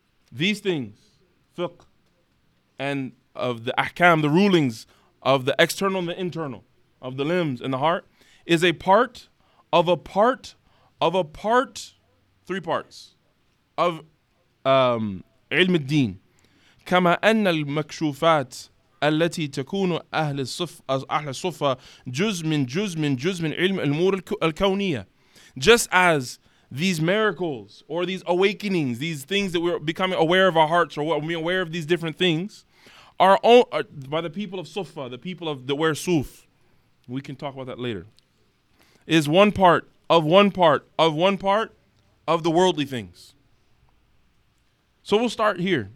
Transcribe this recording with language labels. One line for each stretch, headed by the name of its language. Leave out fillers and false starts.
English: These things, fiqh, and of the ahkam, the rulings of the external and the internal, of the limbs and the heart, is a part of a part of a part, three parts, of ilm al-deen.
Arabic: كما أن المكشوفات التي تكون أهل الصف أهل الصفة جزء من علم الأمور الكونية.
English: Just as these miracles or these awakenings, these things that we're becoming aware of our hearts or we're aware of these different things, are by the people of Sufa, the people of the where Suf. We can talk about that later. Is one part of one part of one part of the worldly things. So we'll start here.